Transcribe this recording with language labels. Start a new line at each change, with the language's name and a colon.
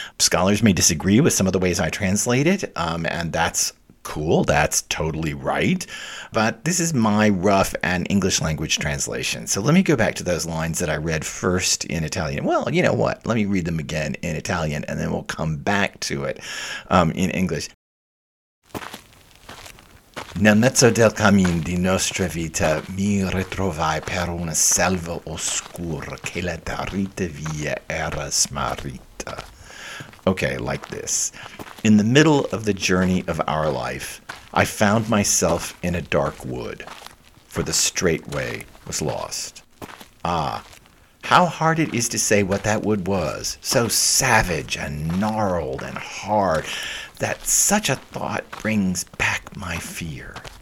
English: Scholars may disagree with some of the ways I translate it, and that's cool. That's totally right. But this is my rough and English language translation. So let me go back to those lines that I read first in Italian. Well, you know what? Let me read them again in Italian, and then we'll come back to it in English.
Italian: Nel mezzo del cammin di nostra vita mi ritrovai per una selva oscura che la darita via era smarrita.
English: Okay, like this. In the middle of the journey of our life, I found myself in a dark wood, for the straight way was lost. Ah, how hard it is to say what that wood was, so savage and gnarled and hard, that such a thought brings back my fear.